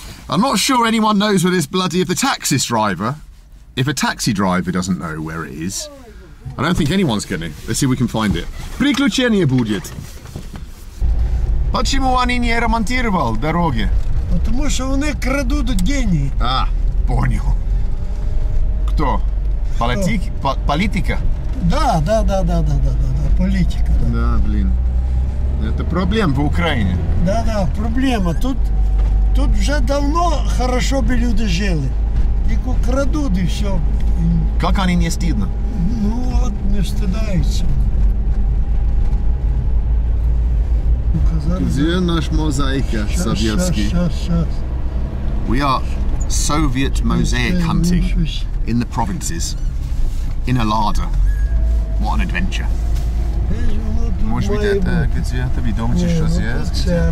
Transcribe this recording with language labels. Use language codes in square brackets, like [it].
[en] I'm not sure anyone knows where this bloody... If a taxi driver doesn't know where it is, I don't think anyone's gonna. Let's see if we can find it. [ru] Приключение будет. Почему они не ремонтировали дороги? Потому что они крадут деньги. А, понял. Кто? Политика? Да, политика. Да, блин. Это проблема в Украине. Да, проблема. Тут уже давно хорошо бы люди жили. Их крадут и все. Как они не стыдно? Ну вот, не стыдаются. Указали. Где наш мозаика советский? Сейчас. [en] We are Soviet mosaic hunting in the provinces. In a larder. What an adventure. [ru] Может быть это где-то, вы думаете, что здесь?